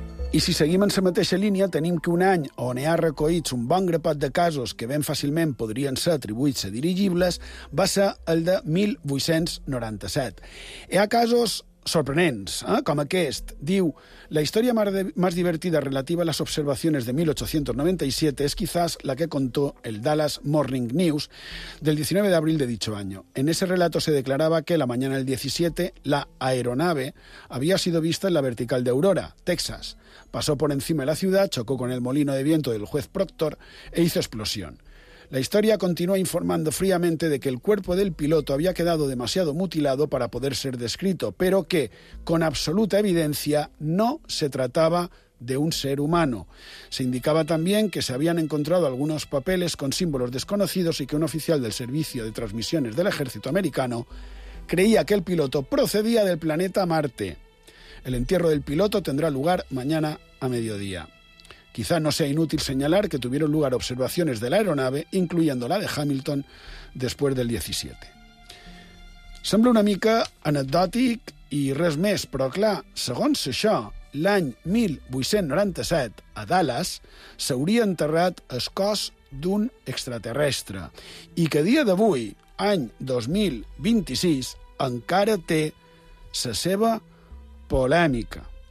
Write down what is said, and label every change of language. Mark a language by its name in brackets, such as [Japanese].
[Catalan] I si seguim en la mateixa línia, tenim que un any on hi ha recollits un bon grapat de casos que ben fàcilment podrien ser atribuïts a dirigibles, va ser el de 1897. Hi ha casos sorprenents, com aquest. Diu, la història més divertida relativa a les observacions de 1897 és [Spanish] quizás la que contó el Dallas Morning News del 19 d'abril de dicho año. En ese relato se declaraba que la mañana del 17 la aeronave había sido vista en la vertical de Aurora, Texas. Pasó por encima de la ciudad, chocó con el molino de viento del juez Proctor e hizo explosión. La historia continúa informando fríamente de que el cuerpo del piloto había quedado demasiado mutilado para poder ser descrito, pero que, con absoluta evidencia, no se trataba de un ser humano. Se indicaba también que se habían encontrado algunos papeles con símbolos desconocidos y que un oficial del Servicio de Transmisiones del Ejército Americano creía que el piloto procedía del planeta Marte. El entierro del piloto tendrá lugar mañana a mediodía. Quizá no sea inútil señalar que tuvieron lugar observaciones de la aeronave, incluyendo la de Hamilton, después del 17. [Catalan] Sembla una mica anecdòtic i res més, però clar, segons això, l'any 1897, a Dallas, s'hauria enterrat el cos d'un extraterrestre i que a dia d'avui, any 2026, encara té la seva polèmica.